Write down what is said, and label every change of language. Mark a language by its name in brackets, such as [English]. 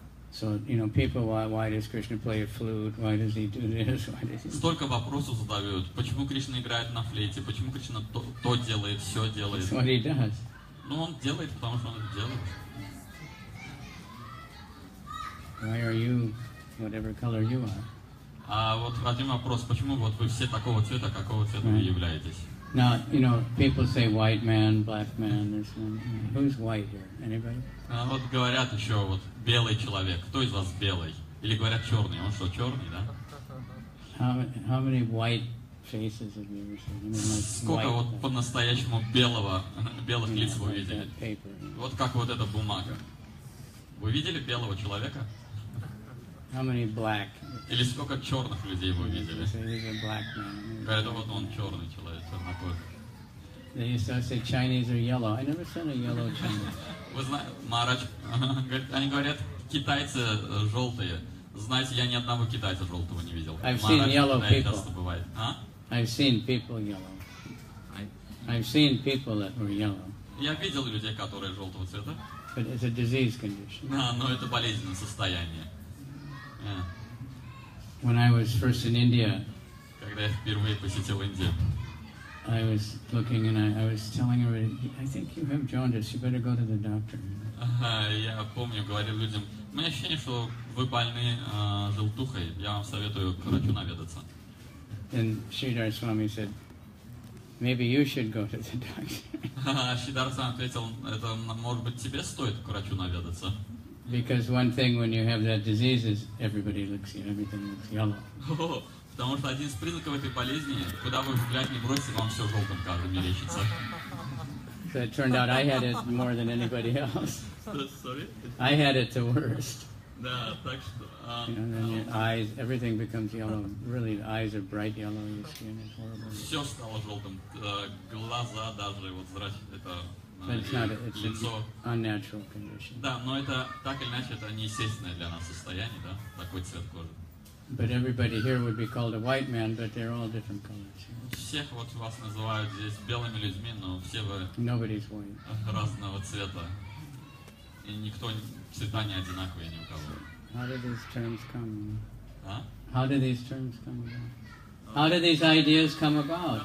[English] so, you know, people, why does Krishna play a flute? Why does he do this? Why does he... [Russian] Столько вопросов задают. Почему Кришна играет на флейте? Почему Кришна то делает, все делает? [English] That's what he does. [Russian] Ну, он делает, потому что он это делает. [English] Why are you whatever color you are? [Russian] А вот один вопрос, почему вот вы все такого цвета, какого цвета вы являетесь? [English] Now, you know, people say white man, black man, this one. Who's white here? Anybody? [Russian] А вот говорят еще вот белый человек. Кто из вас белый? Или говорят черный. Он что, черный, да? [English] How many white faces have you ever seen? I mean, like [Russian] сколько [English] white, [Russian] вот по-настоящему белого, белых лиц вы видели? [English] Paper, [Russian] вот как вот эта бумага. Вы видели белого человека? [English] How many black? [Russian] Или сколько черных людей вы видели? Говорят, вот он черный человек, чернокожий. [English] They used to say Chinese are yellow. I never seen a yellow Chinese. [Russian] Вы знаете, Марач, они говорят, китайцы желтые. Знаете, я ни одного китайца желтого не видел. [English] I've seen yellow people. [Russian] Часто бывает. А? [English] I've seen people yellow. I've seen people that were yellow. [Russian] Я видел людей, которые желтого цвета. [English] But it's a disease condition. [Russian] Да, но это болезненное состояние. [English] When I was first in India, [Russian] когда я впервые посетил Индию, [English] I was looking and I was telling everybody, I think you have jaundice, you better go to the doctor. [Russian] Я помню, говорил людям, у меня ощущение, что вы больны желтухой, я вам советую к врачу наведаться. [English] And Sridhar Swami said, maybe you should go to the doctor. [Russian] Sridhar Swami ответил, это может быть тебе стоит к врачу наведаться. [English] Because one thing when you have that disease is everybody looks, you know, everything looks yellow. [Russian] Потому что один из признаков этой болезни, куда вы взгляд не бросите, вам все желтым кажется, мерещится. [English] So it turned out I had it more than anybody else. Sorry? I had it the worst. [Russian] Да, так что... [English] You know, then your eyes, everything becomes yellow. Really, the eyes are bright yellow, your skin is horrible. [Russian] Все стало желтым. Глаза даже, вот зрачки, это... [English] But it's not, it's [Russian] лицо. [English] An unnatural condition. [Russian] Да, но это, так или иначе, это неестественное для нас состояние, да, такой цвет кожи. [English] But everybody here would be called a white man, but they're all different colors. You know? [Russian] Всех вот вас называют здесь белыми людьми, но все вы [English] Nobody's white. [Russian] Разного цвета. И никто, цвета не одинаковые ни у кого. [English] How do these terms come? А? How do these terms come about? How do these ideas come about?